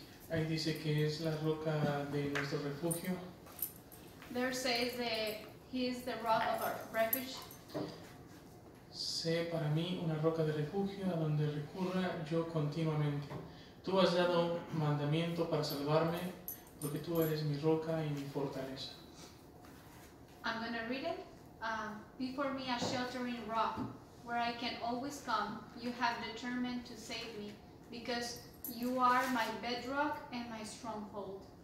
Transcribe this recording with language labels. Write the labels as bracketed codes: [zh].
[es] Ahí dice que es la roca de nuestro refugio. [en] There says that he is the rock of our refuge. [es] Sé para mí una roca de refugio a donde recurra yo continuamente. Tú has dado un mandamiento para salvarme, porque tú eres mi roca y mi fortaleza. [en] I'm going to read it. Before me a sheltering rock, where I can always come. You have determined to save me, because you are my bedrock and my stronghold.